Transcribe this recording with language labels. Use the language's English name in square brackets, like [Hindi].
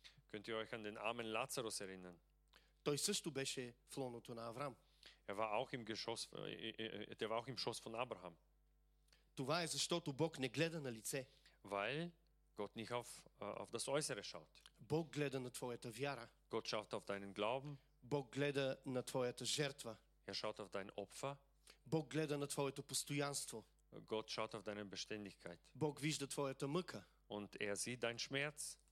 [German] Könnt ihr euch an den armen Lazarus erinnern? [Bulgarian] Той също беше в лоното на Авраам. [German] Er war auch im Geschoss, der war auch im Schoß von Abraham. [Bulgarian] Това е защото Бог не гледа на лице. [German] Weil Gott nicht auf das Äußere schaut. [Bulgarian] Бог гледа на твоята вяра. [German] Gott schaut auf deinen Glauben. [Bulgarian] Бог гледа на твоята жертва. [German] Er schaut auf dein Opfer. [Bulgarian] Бог гледа на твоето постоянство. [German] Gott schaut auf deine Beständigkeit. [Bulgarian] Бог вижда твоята мъка. [German] Und er sieht dein Schmerz.